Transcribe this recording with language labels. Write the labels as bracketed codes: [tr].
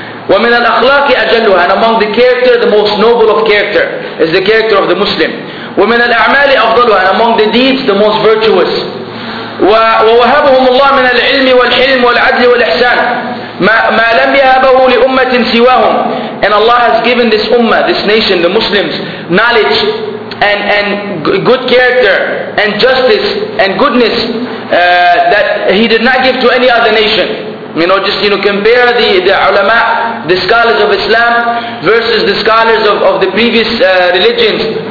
[ar] ومن الأخلاق أجلها, [en] and among the character, the most noble of character is the character of the Muslim. [ar] ومن الأعمال أفضلها, [en] and among the deeds, the most virtuous. [ar] ووهبهم الله من العلم والحلم والعدل والإحسان ما لم يهبه لأمة سواهم. [en] And Allah has given this ummah, this nation, the Muslims, knowledge and good character and justice and goodness that He did not give to any other nation. You know, just, you know, compare the ulama, the scholars of Islam versus the scholars of the previous religions.